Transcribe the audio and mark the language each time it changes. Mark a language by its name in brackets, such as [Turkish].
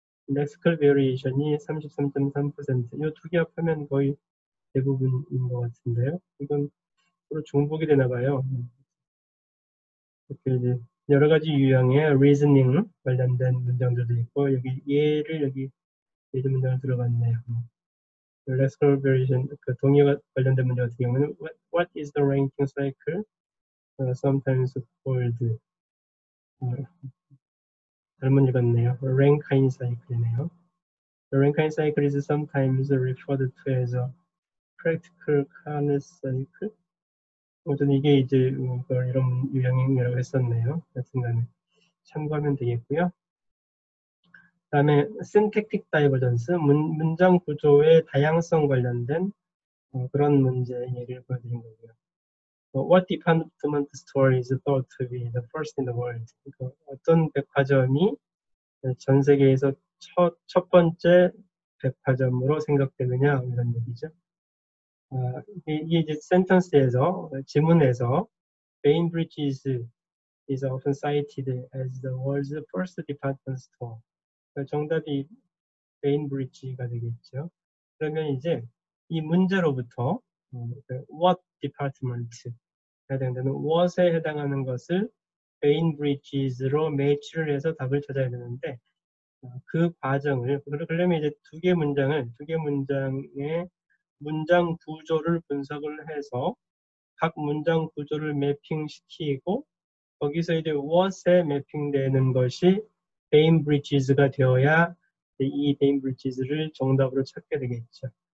[Korean] lexical variation이 33.3%. 이 두 개 합하면 거의 대부분인 것 같은데요. 이건 서로 중복이 되나 봐요. 이렇게 이제 여러 가지 유형의 리즈닝 관련된 문장들도 있고 여기 예를 여기 예전 문장을 들어봤네요. lexical variation, 그 동의와 관련된 문제 같은 경우는 [English] What is the ranking cycle? Sometimes called [Korean] 잘못 읽었네요. [English] Rankine cycle이네요. The Rankine cycle is sometimes referred to as a practical kindness cycle. [Korean] 어쨌든 이게 이제 이런 유형이라고 했었네요. 여튼간에 참고하면 되겠고요. 그 다음에 syntactic divergence, 문장 구조의 다양성 관련된 그런 문제 얘기를 보여드린 거고요. [English] What department store is thought to be the first in the world? [Korean] 어떤 백화점이 전 세계에서 첫 번째 백화점으로 생각되느냐 이런 얘기죠. 이게 이제 sentence에서, 지문에서 [English] Bainbridge is often cited as the world's first department store. [Korean] 정답이 베인브리지가 되겠죠. 그러면 이제 이 문제로부터 what department가 된다면 what에 해당하는 것을 베인브리지로 매치를 해서 답을 찾아야 되는데 그 과정을 그러면 이제 두 개 문장의 문장 구조를 분석을 해서 각 문장 구조를 매핑시키고 거기서 이제 what에 매핑되는 것이 베인브리지가 되어야 이 베인브리지를 정답으로 찾게 되겠죠.